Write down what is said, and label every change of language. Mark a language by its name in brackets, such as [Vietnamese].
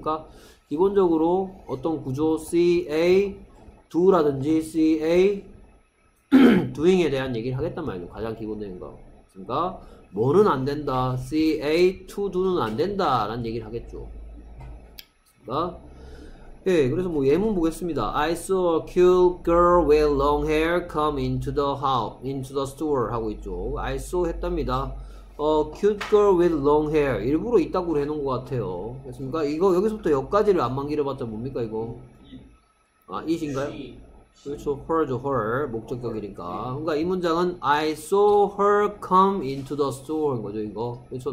[Korean] 그러니까 기본적으로 어떤 구조 CA do라든지 CA doing에 대한 얘기를 하겠단 말이죠. 가장 기본적인 거. 그러니까 뭐는 안 된다. CA to do는 안 된다라는 얘기를 하겠죠. 그러니까 예, 그래서 뭐 예문 보겠습니다. [English] I saw a cute girl with long hair come into the house, into the store [Korean] 하고 있죠. [English] I saw [Korean] 했답니다. [English] A cute girl with long hair. [Korean] 일부러 있다고 해놓은 것 같아요. 됐습니까? 이거 여기서부터 여기까지를 안만 길어봤자 뭡니까, 이거? 아, it인가요? 그렇죠. her죠, her. 목적격이니까. 그러니까 이 문장은 [English] I saw her come into the store [Korean] 인 거죠, 이거. 그렇죠.